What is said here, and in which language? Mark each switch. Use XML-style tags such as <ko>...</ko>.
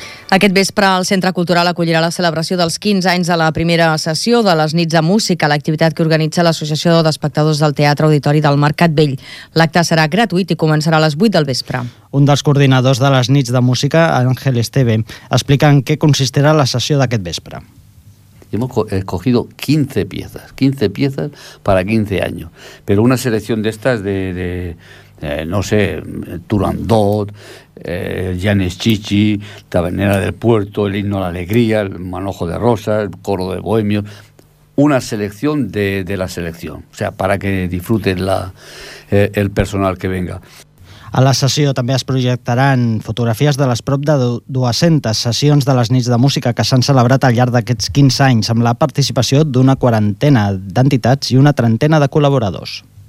<ca>Aquest vespre el Centre Cultural acollirà la celebració dels 15 anys de la primera sessió de les Nits de Música, l'activitat que organitza l'Associació d'Espectadors del Teatre Auditori del Mercat Vell. L'acte serà gratuït i començarà a les 8 del vespre. Un dels coordinadors de les Nits de Música, Ángel Esteve, explica en què consistirà la sessió d'aquest vespre.</ca> <es>Hemos escogido 15 piezas para 15 años, pero una selección de estas de Turandot, Janis Chichi, Tabernera del Puerto, El Himno a la Alegría, El Manojo de Rosas, El Coro de Bohemios, una selección de la selección, o sea, para que disfruten el personal que venga.</es> <ca>A la sessió també es projectaran fotografies de les prop de 200 sessions de les Nits de Música que s'han celebrat al llarg d'aquests 15 anys amb la participació d'una quarantena d'entitats i una trentena de col·laboradors.</ca>